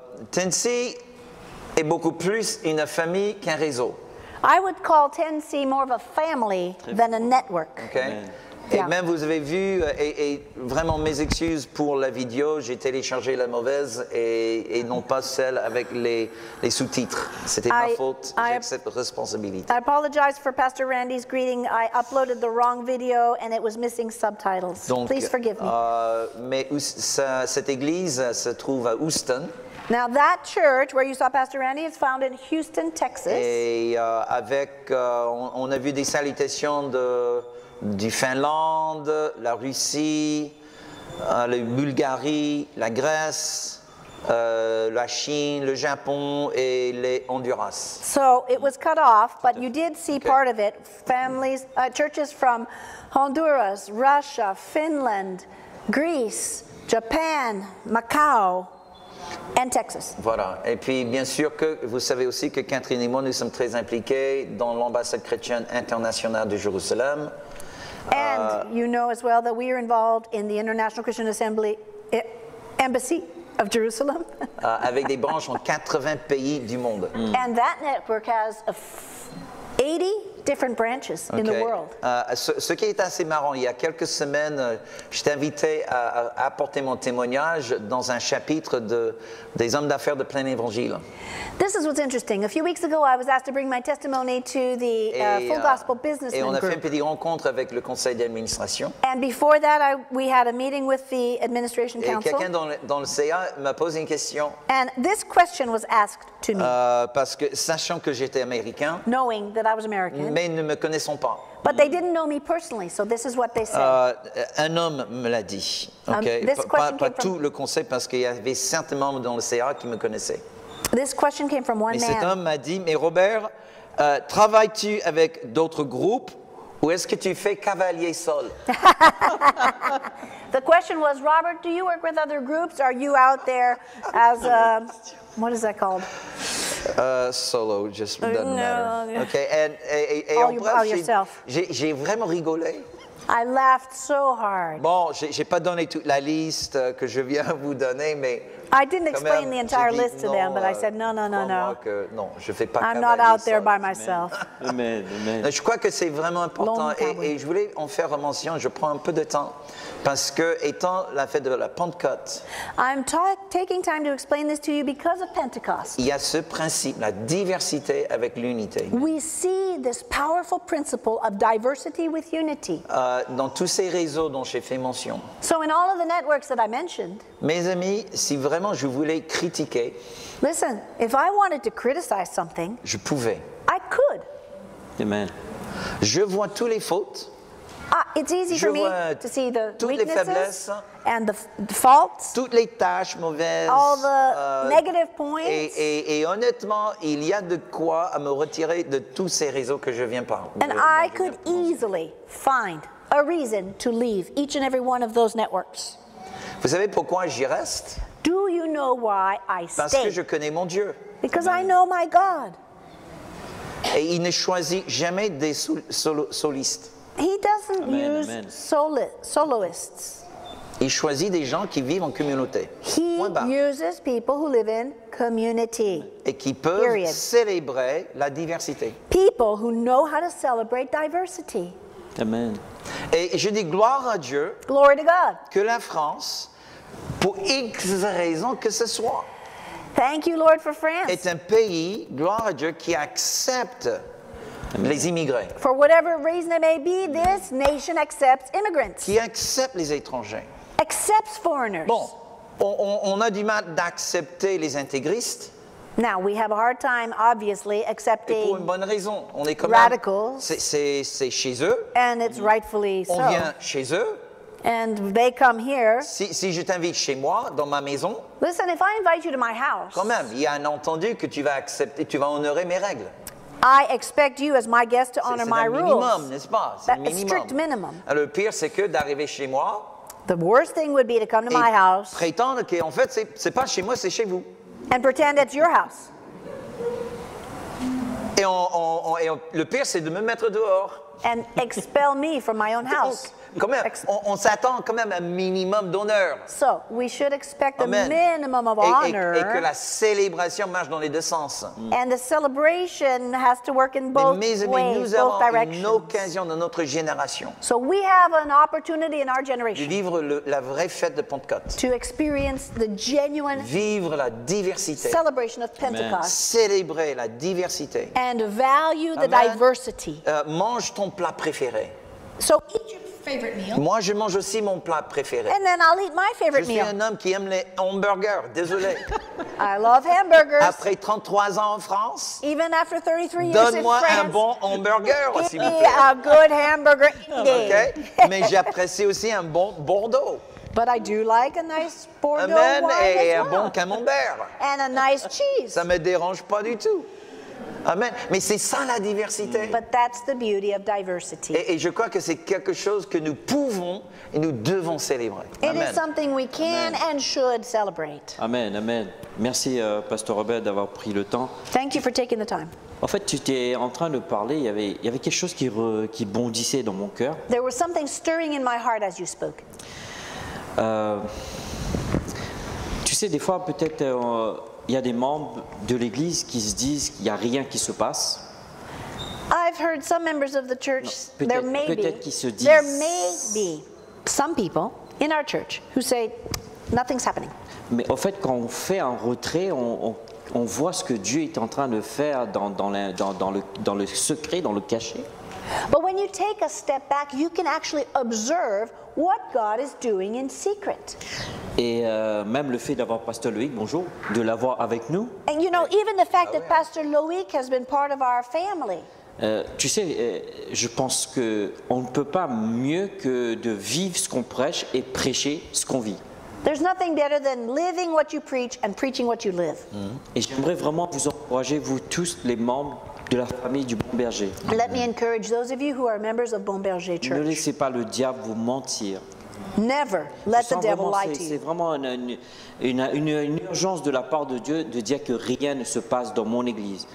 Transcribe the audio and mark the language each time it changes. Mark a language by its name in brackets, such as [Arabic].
[French] Tennessee est beaucoup plus une famille qu'un réseau. [English] I would call Tennessee more of a family than a network. Okay. Amen. [French] Et yeah, même vous avez vu, et vraiment mes excuses pour la vidéo, j'ai téléchargé la mauvaise et non pas celle avec les sous-titres. C'était ma faute, j'accepte la responsabilité. [English] I apologize for Pastor Randy's greeting. I uploaded the wrong video and it was missing subtitles. [French] Donc, [English] please forgive me. [French] Mais cette église se trouve à Houston. [English] Now that church where you saw Pastor Randy is found in Houston, Texas. [French] Et avec, on a vu des salutations de... du Finlande, la Russie, la Bulgarie, la Grèce, la Chine, le Japon et les Honduras. [English] So it was cut off, but you did see, okay, part of it. Families, churches from Honduras, Russia, Finland, Greece, Japan, Macau, and Texas. [French] Voilà. Et puis, bien sûr, que vous savez aussi que Catherine et moi, nous sommes très impliqués dans l'ambassade chrétienne internationale de Jérusalem. [English] And you know as well that we are involved in the International Christian Assembly Embassy of Jerusalem. [French] Avec des branches en 80 pays du monde. [English] Mm. And that network has 80 different branches, okay, in the world. [French] Ce qui est assez marrant, il y a quelques semaines, j'étais invité à apporter mon témoignage dans un chapitre des hommes d'affaires de plein évangile. [English] This is what's interesting. A few weeks ago, I was asked to bring my testimony to the Full Gospel Business Group. [French] Et on a fait une petite rencontre avec le conseil d'administration. [English] And before that, we had a meeting with the administration council. [French] Et quelqu'un dans le CA m'a posé une question. [English] And this question was asked to me. [French] Parce que sachant que j'étais américain. [English] Knowing that I was American. [French] Mais ne me connaissons pas. But they didn't know me personally, so this is what they said. Un homme me l'a dit. Okay. Pas tout le conseil, parce qu'il y avait certains membres dans le CA qui me connaissaient. [English] This question came from one [French] mais [English] man. [French] Cet homme m'a dit, mais Robert, travailles-tu avec d'autres groupes ou est-ce que tu fais cavalier seul? [English] The question was, Robert, do you work with other groups? Are you out there as a... what is that called? Solo, just doesn't no, matter. No. Okay, and all, [French] bref, [English] all yourself. [French] J'ai vraiment rigolé. [English] I laughed so hard. [French] Bon, j'ai pas donné toute la liste que je viens vous donner, mais... [English] I didn't explain [French] même, [English] the entire [French] dit, [English] list to [French] non, [English] them, but I said, no, no, no, no. [French] Que, non, je fais pas [English] I'm not out there by myself. Amen. [French] Je crois que c'est vraiment important, et je voulais en faire mention, je prends un peu de temps, parce que, étant la fête de la Pentecôte, [English] I'm taking time to explain this to you because of Pentecost. [French] Il y a ce principe, la diversité avec l'unité. [English] We see this powerful principle of diversity with unity. [French] Dans tous ces réseaux dont j'ai fait mention. [English] So in all of the networks that I mentioned, [French] mes amis, si vraiment je voulais critiquer, [English] listen, if I wanted to criticize something, [French] je pouvais. [English] I could. Amen. [French] Je vois toutes les fautes. [English] It's easy [French] je [English] for me to see the [French] toutes [English] weaknesses and the faults. [French] Toutes les tâches mauvaises. [English] All the negative points. [French] Et honnêtement, il y a de quoi à me retirer de tous ces réseaux que je viens par. [English] And I could easily find a reason to leave each and every one of those networks. [French] Vous savez pourquoi j'y reste? [English] Do you know why I stay? [French] Parce que je connais mon Dieu. [English] Because I know my God. [French] Et il ne choisit jamais des solistes. [English] He doesn't use soloists. [French] Il choisit des gens qui vivent en communauté. [English] He uses people who live in community. [French] Et qui peuvent célébrer la diversité. [English] People who know how to celebrate diversity. Amen. [French] Et je dis gloire à Dieu. [English] Glory to God. [French] Que la France, pour X raison que ce soit, [English] thank you, Lord, for France. [French] Est un pays, gloire à Dieu, qui accepte Amen. Les immigrés. [English] For whatever reason it may be, this nation accepts immigrants. [French] Qui accepte les étrangers. [English] Accepts foreigners. [French] Bon, on a du mal d'accepter les intégristes. [English] Now, we have a hard time, obviously, accepting [French] et pour une bonne raison. On est comme [English] radicals. [French] C'est chez eux. [English] And it's rightfully [French] on [English] so. [French] On vient chez eux. [English] And they come here. [French] Si je t'invite chez moi, dans ma maison. [English] Listen, if I invite you to my house. [French] Quand même, il y a un entendu que tu vas accepter, tu vas honorer mes règles. [English] I expect you as my guest to honor my rules. [French] C'est un minimum, n'est-ce pas? C'est un [English] strict minimum. [French] Le pire, c'est que d'arriver chez moi. [English] The worst thing would be to come to my house. [French] Prétendre que en fait c'est pas chez moi, c'est chez vous. [English] And pretend it's your house. [French] Et le pire, c'est de me mettre dehors. [English] And expel me from my own house. [French] Quand même, on s'attend quand même un minimum d'honneur. [English] So, we should expect a minimum of honor. [French] Et que la célébration marche dans les deux sens. [English] And the celebration has to work in both ways, both directions. [French] Mais nous avons une occasion dans notre génération. [English] So, we have an opportunity in our generation. [French] De vivre la vraie fête de Pentecôte. [English] To experience the genuine. [French] Vivre la diversité. [English] Celebration of Pentecost. [French] Célébrer la diversité. [English] And value the diversity. [French] Mange ton plat préféré. [English] So, eat your favorite meal. [French] Moi, je mange aussi mon plat préféré. [English] And then I'll eat my favorite meal. [French] Je suis un homme qui aime les hamburgers. Désolé. [English] I love hamburgers. [French] Après 33 ans en France. [English] Even after 33 years [French] donne-moi [English] in France. [French] Donne-moi un bon hamburger, s'il vous plaît. [English] Give me a good hamburger. [French] Okay. Mais j'apprécie aussi un bon Bordeaux. [English] But I do like a nice Bordeaux wine [French] et [English] as well. [French] Un bon camembert. [English] And a nice cheese. [French] Ça me dérange pas du tout. Amen. Mais c'est ça la diversité. [English] But that's the beauty of diversity. [French] Et je crois que c'est quelque chose que nous pouvons et nous devons célébrer. [English] It is something we can and should celebrate. [French] Amen, amen. Merci, Pasteur Robert, d'avoir pris le temps. [English] Thank you for taking the time. [French] En fait, tu étais en train de parler. Il y avait quelque chose qui bondissait dans mon cœur. [English] There was something stirring in my heart as you spoke. [French] Tu sais, des fois, peut-être. Il y a des membres de l'Église qui se disent qu'il n'y a rien qui se passe. [English] I've heard some members of the church, [French] peut-être qu'ils se disent. [English] There may be some people in our church who say nothing's happening. [French] Mais en fait, quand on fait un retrait, on voit ce que Dieu est en train de faire dans le secret, dans le cachet. [English] But when you take a step back, you can actually observe what God is doing in secret. [French] Et même le fait d'avoir Pasteur Loïc, bonjour, de l'avoir avec nous. [English] And you know, even the fact that Pasteur Loïc has been part of our family. [French] Tu sais, je pense que on ne peut pas mieux que de vivre ce qu'on prêche et prêcher ce qu'on vit. [English] There's nothing better than living what you preach and preaching what you live. [French] Et j'aimerais vraiment vous encourager, vous tous les membres de la famille du Bon Berger. [English] Let me encourage those of you who are members of Bon Berger Church. [French] Ne laissez pas le diable vous mentir. [English] Never let the devil lie to you. [French] C'est vraiment une urgence de la part de Dieu de dire que rien ne se passe dans mon église.